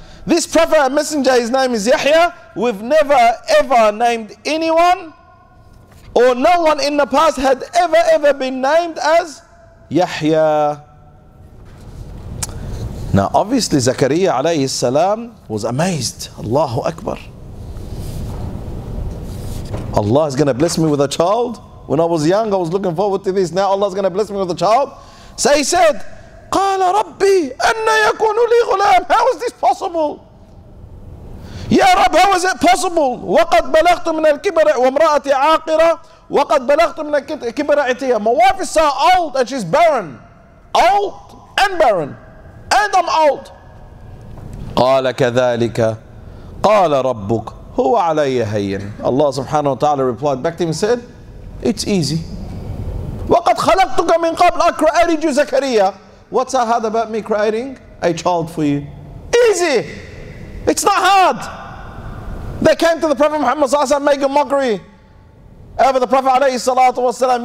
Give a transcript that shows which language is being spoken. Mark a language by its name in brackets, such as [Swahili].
[English] This prophet and messenger, his name is Yahya. We've never ever named anyone, or no one in the past had ever ever been named as Yahya. Now obviously Zakariya alayhi salam was amazed. Allahu Akbar. Allah is going to bless me with a child. When I was young, I was looking forward to this. Now Allah is going to bless me with a child. So he said, [Arabic] قال ربي أن يكون لي غلام. [English] How is this possible? Ya Rab, how is it possible? [Arabic] وقد بلغت من الكبر وامرأتي عاقرة وقد بلغت من الكبر عتيا. [English] My wife is so old and she's barren. Old and barren. And I'm old. [Arabic] قال كذلك قال ربك هو علي هين. [English] Allah subhanahu wa ta'ala replied back to him and said, it's easy. [Arabic] وقد خلقتك من قبل. [English] I created you, Zakariya. What's so hard about me creating a child for you? Easy. It's not hard. They came to the Prophet Muhammad sallallahu alaihi wasallam making mockery over the Prophet alayhi salatu wasalam.